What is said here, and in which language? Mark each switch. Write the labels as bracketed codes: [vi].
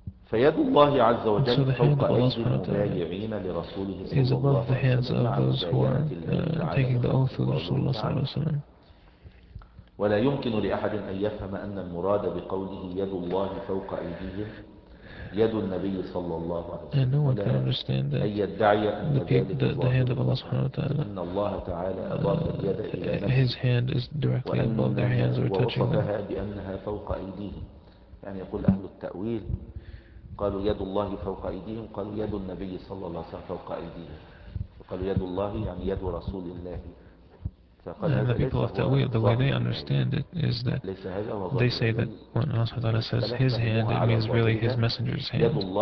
[en] So the hand of Allah subhanahu wa ta'ala is above the hands of those who are taking the oath of Rasulullah sallallahu alayhi wa sallam. [ar] ولا يمكن لأحد أن يفهم أن المراد بقوله يد الله فوق أيديهم يد النبي صلى الله عليه وسلم. [en] And no one can understand that. [ar] أي يدعي أن [en] the hand of Allah سبحانه وتعالى. [ar] إن الله تعالى أضاف اليد إلى نفسه. [en] His hand is directly above their hands or touching them. [ar] ووصفها بأنها فوق أيديهم. يعني يقول أهل التأويل قالوا يد الله فوق أيديهم قالوا يد النبي صلى الله عليه وسلم فوق أيديهم. قالوا يد الله يعني يد رسول الله. ف [en] the people of Ta'wil, the way they understand it is that they say that when Allah subhanahu wa ta'ala says his hand, it means really his messenger's hand.